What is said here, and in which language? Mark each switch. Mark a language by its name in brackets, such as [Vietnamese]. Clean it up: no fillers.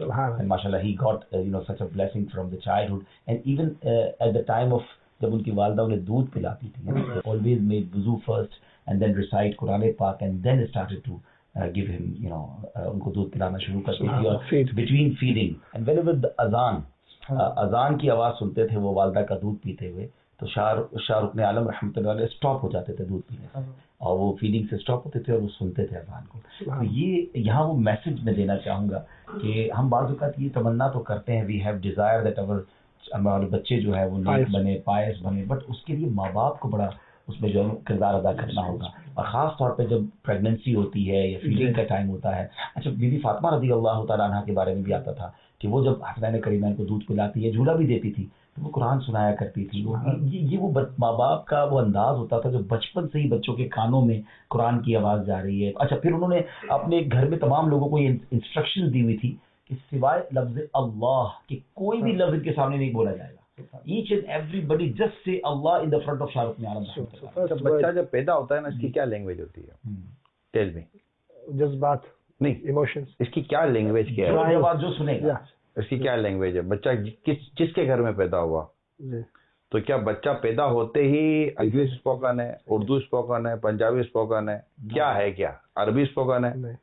[English] And mashallah, he got such a blessing from the childhood. And even at the time of [Urdu] jab unki walida unhe doodh pilati thi, [English] they always made wuzu first and then recite Quran-e-Pak and then started to give him, [Urdu] unko doodh pilana shuru kar di [English] between feeding. And whenever the azan, [Urdu] اذان کی آواز سنتے تھے وہ والدہ کا دودھ پیتے ہوئے, تو شاہ رکن عالم رحمۃ اللہ علیہ اسٹاپ ہو جاتے تھے دودھ پینے سے, اور وہ فیلنگ سے اسٹاپ ہوتے تھے اور وہ سنتے تھے اذان کو. تو یہاں وہ میسج میں دینا چاہوں گا کہ ہم بعض اوقات یہ تمنا تو کرتے ہیں, [English] we have desire that [Urdu] اور ہمارے بچے جو ہے وہ نیک بنے, پائس بنے, بٹ اس کے لیے ماں باپ کو بڑا اس میں جو کردار ادا کرنا ہوگا, اور خاص طور پہ جب پریگنینسی ہوتی ہے یا فیلنگ کا ٹائم ہوتا ہے. اچھا, بی بی فاطمہ رضی اللہ تعالیٰ عنہ کے بارے میں بھی آتا تھا کہ وہ جب حسنین کریمین کو دودھ پلاتی ہے, جھولا بھی دیتی تھی, تو وہ قرآن سنایا کرتی تھی. یہ وہ ماں باپ کا وہ انداز ہوتا تھا جو بچپن سے ہی بچوں کے کانوں میں قرآن کی آواز جا رہی ہے. اچھا, پھر انہوں نے اپنے گھر میں تمام لوگوں کو یہ انسٹرکشن دی ہوئی تھی کہ سوائے لفظ اللہ کے کوئی بھی لفظ ان کے سامنے نہیں بولا جائے گا. [English] Each and everybody just say Allah in the front of Shahrukh Khan. [Urdu] بچہ جب پیدا ہوتا ہے نا, اس کی کیا لینگویج ہوتی ہے؟ [English] Tell me. [Urdu] جذبات نہیں, ایموشنز. اس کی کیا لینگویج کیا ہے؟ جو سنے گا اس کی کیا لینگویج ہے؟ بچہ جس کے گھر میں پیدا ہوا, تو کیا بچہ پیدا ہوتے ہی انگلش اسپوکن ہے, اردو اسپوکن ہے, پنجابی اسپوکن ہے, کیا ہے, کیا عربی اسپوکن ہے؟